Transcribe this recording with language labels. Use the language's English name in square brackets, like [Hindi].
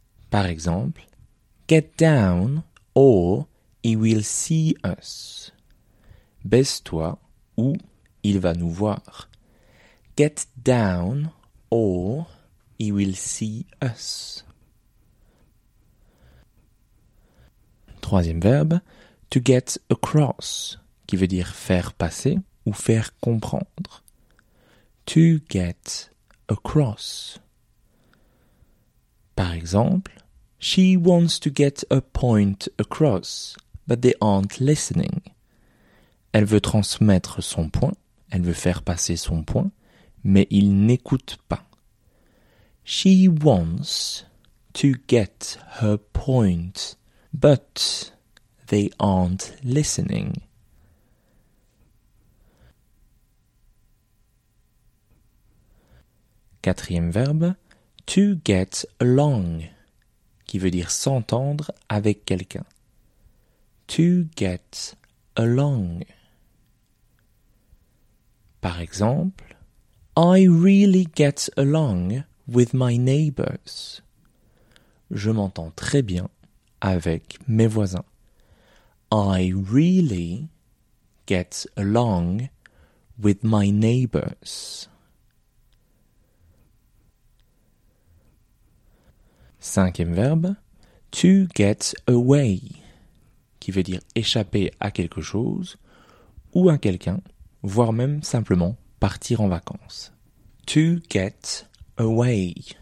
[French] Par exemple, [English] get down or he will see us. [French] Baisse-toi ou il va nous voir. [English] Get down or he will see us. [French] Troisième verbe, [English] to get across, [French] qui veut dire faire passer. Ou faire comprendre. [English] To get across. [French] Par exemple, [English] she wants to get a point across, but they aren't listening. [French] Elle veut transmettre son point, elle veut faire passer son point, mais ils n'écoutent pas. [English] She wants to get her point, but they aren't listening. [French] Quatrième verbe, [English] to get along, [French] qui veut dire s'entendre avec quelqu'un. [English] To get along. [French] Par exemple, [English] I really get along with my neighbors. [French] Je m'entends très bien avec mes voisins. [English] I really get along with my neighbors. [French] Cinquième verbe, [English] to get away, [French] qui veut dire échapper à quelque chose ou à quelqu'un, voire même simplement partir en vacances. [English] To get away.